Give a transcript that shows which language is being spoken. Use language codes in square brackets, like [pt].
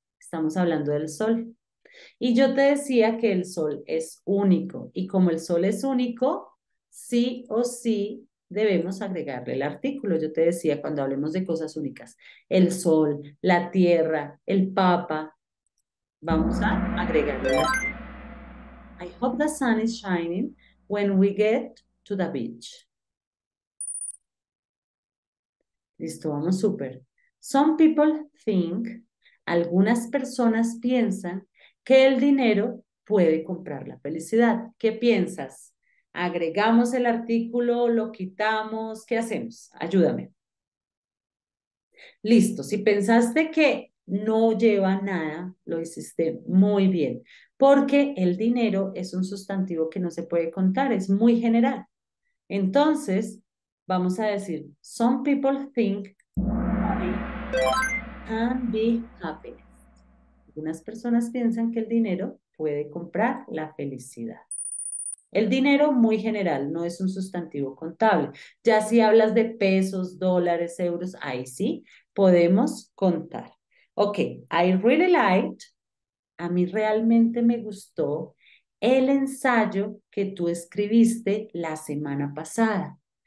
[es] Estamos hablando del sol. Y yo te decía que el sol es único. Y como el sol es único, sí o sí debemos agregarle el artículo. Yo te decía cuando hablemos de cosas únicas, el sol, la tierra, el papa, vamos a agregarle el artículo. [en] I hope the sun is shining when we get to the beach. [es] Listo, vamos súper. [en] Some people think, [es] algunas personas piensan que el dinero puede comprar la felicidad. ¿Qué piensas? ¿Agregamos el artículo, lo quitamos? ¿Qué hacemos? Ayúdame. Listo, si pensaste que no lleva nada, lo hiciste muy bien, porque el dinero es un sustantivo que no se puede contar, es muy general. [en] Entonces, vamos a decir, some people think can be happy. [es] Algunas personas piensan que el dinero puede comprar la felicidad. El dinero, muy general, no es un sustantivo contable. Ya si hablas de pesos, dólares, euros, ahí sí podemos contar. Ok, [en] I really liked, [es] a mí realmente me gustó el ensayo que tú escribiste la semana pasada.